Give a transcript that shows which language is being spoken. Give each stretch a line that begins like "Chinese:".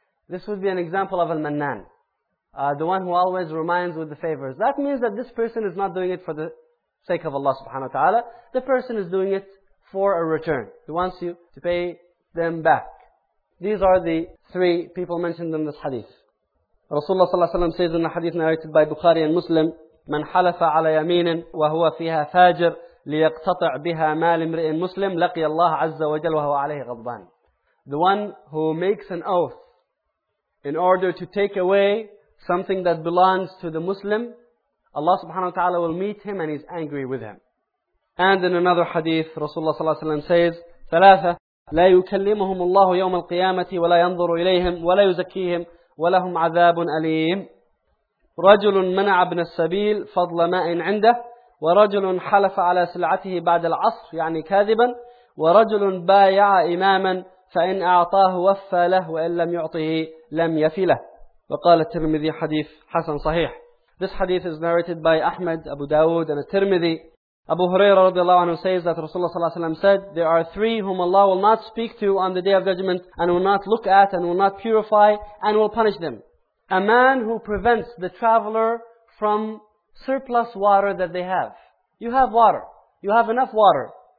English: This would be an example of Al-Mannan. The one who always reminds with the favors. That means that this person is not doing it for the sake of Allah subhanahu wa ta'ala. The person is doing it for a return. He wants you to pay them back. These are the three people mentioned in this hadith. Rasulullah sallallahu alayhi wa sallam says in the hadith narrated by Bukhari and Muslim,
Arabic: من حلف على يمين وهو فيها فاجر ليقتطع بها مال امرئ مسلم لقي الله عز وجل وهو عليه غضبان.
English: The one who makes an oath in order to take away something that belongs to the Muslim, Allah subhanahu wa ta'ala will meet him and he's angry with him. And in another hadith, Rasulullah sallallahu alayhi wa sallam says,
Arabic: ثَلَاثَةَ لَا يُكَلِّمُهُمُ اللَّهُ يَوْمَ الْقِيَامَةِ وَلَا يَنْظُرُ إِلَيْهِمْ وَلَا يُزَكِّيهِمْ وَلَهُمْ عَذَابٌ أَلِيمٌ. رَجُلٌ مَنَعَ ابْنَ السَّبِيلِ فَضْلَ مَاءٍ عِنْدَهُ وَرَجُلٌ حَلَفَ عَلَى سِلْعَتِهِ بَعْدَ الْعَصْرِ يعني كَاذِبًا وَرَجُلٌ بَايَعَ إِمَامًا فَإِنْ أَعْطَاهُ وَفَّى لَهُ وَإِنْ لَمْ يُعْطِهِ لَمْ يَفِ لَهُ. وقال الترمذي حديث حسن صحيح.
English: This hadith is narrated by Ahmed, Abu Dawood and al-Tirmidhi. Abu Huraira radiallahu anhu says that Rasulullah sallallahu alayhi wa sallam said, there are three whom Allah will not speak to on the Day of Judgment and will not look at and will not purify and will punish them. A man who prevents the traveler from surplus water that they have. You have water. You have enough water.